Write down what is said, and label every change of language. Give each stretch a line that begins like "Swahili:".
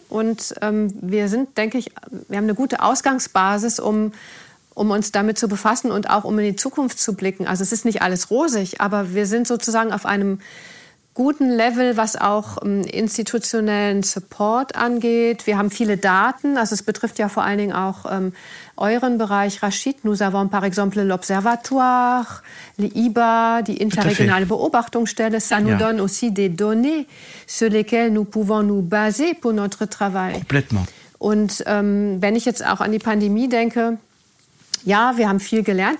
German: Und wir sind, denke ich, wir haben eine gute Ausgangsbasis, um uns damit zu befassen und auch um in die Zukunft zu blicken. Also es ist nicht alles rosig, aber wir sind sozusagen auf einem guten Level, was auch institutionellen Support angeht. Wir haben viele Daten, also es betrifft ja vor allen Dingen auch euren Bereich, Rachid.
French: Nous avons par exemple l'Observatoire, l'IBA,
German: die interregionale Beobachtungsstelle.
French: Ça nous donne aussi des données sur lesquelles nous pouvons nous baser pour notre travail. Complètement.
German: Und wenn ich jetzt auch an die Pandemie denke, ja, wir haben viel gelernt.